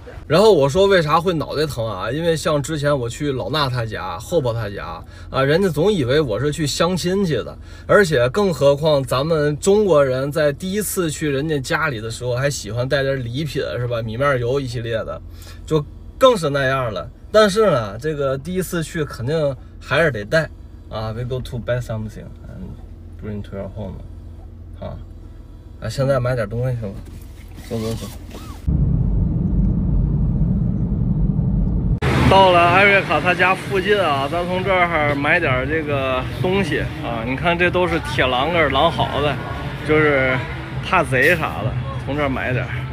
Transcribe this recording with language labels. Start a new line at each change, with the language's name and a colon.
Chinese: 然后我说为啥会脑袋疼啊？因为像之前我去老娜她家、后婆她家啊，人家总以为我是去相亲去的。而且更何况咱们中国人在第一次去人家家里的时候，还喜欢带点礼品是吧？米面油一系列的，就更是那样了。但是呢，这个第一次去肯定还是得带啊。
English: We go to buy something and bring to your home.
Chinese: 啊，现在买点东西去吧，走走走。到了艾瑞卡他家附近啊，咱从这儿买点这个东西啊。你看这都是铁栏杆，狼嚎的，就是怕贼啥的，从这儿买点。